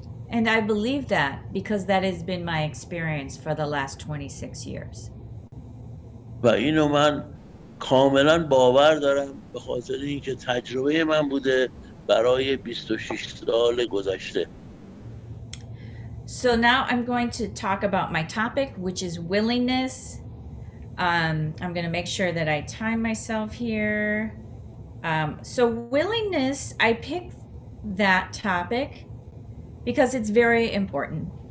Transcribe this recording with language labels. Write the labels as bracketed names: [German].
[English] And I believe that because that has been my experience for the last 26 years. [Persian] و اینو من کاملا باور دارم به خاطر اینکه تجربه من بوده برای 26 سال گذشته. [English] So now I'm going to talk about my topic, which is willingness. I'm going to make sure that I time myself here. So willingness, I picked that topic because it's very important.